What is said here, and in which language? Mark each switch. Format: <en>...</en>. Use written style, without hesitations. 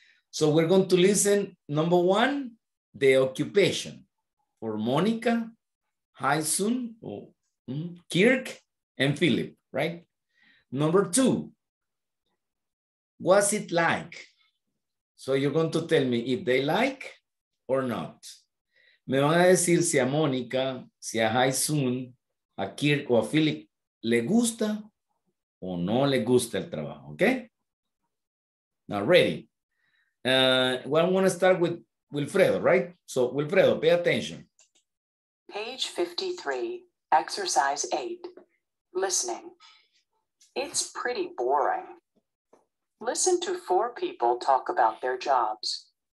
<en>So we're going to listen, number one, the occupation for Monica, Haisun, Kirk, and Philip, right? Number two, what's it like? So you're going to tell me if they like or not.</en> <es>Me van a decir si a Monica, si a Haisun, a Kirk, o a Philip le gusta o no le gusta el trabajo, okay?</es> <en>Now, ready. Well, I want to start with Wilfredo, right? So, Wilfredo, pay attention. Page 53, exercise 8, listening. It's pretty boring. Listen to 4 people talk about their jobs.</en>